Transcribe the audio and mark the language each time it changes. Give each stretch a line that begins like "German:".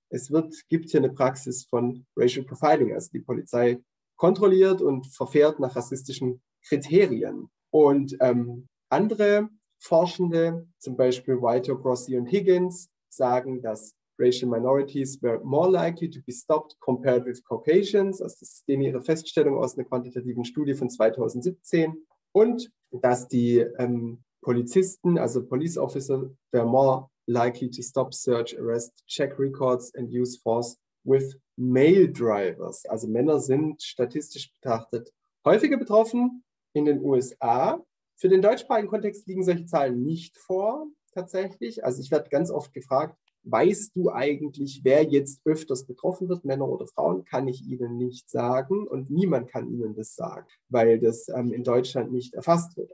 German: Es gibt hier eine Praxis von Racial Profiling, also die Polizei kontrolliert und verfährt nach rassistischen Kriterien. Und andere Forschende, zum Beispiel Whitehead, Grossi und Higgins, sagen, dass
English: Racial Minorities were more likely to be stopped compared with Caucasians.
German: Also das ist ihre Feststellung aus einer quantitativen Studie von 2017. Und dass die Polizisten, also
English: Police Officer, were more likely to stop search, arrest, check records and use force with male drivers.
German: Also Männer sind statistisch betrachtet häufiger betroffen in den USA. Für den deutschsprachigen Kontext liegen solche Zahlen nicht vor, tatsächlich. Also ich werde ganz oft gefragt, weißt du eigentlich, wer jetzt öfters betroffen wird, Männer oder Frauen? Kann ich Ihnen nicht sagen und niemand kann Ihnen das sagen, weil das in Deutschland nicht erfasst wird.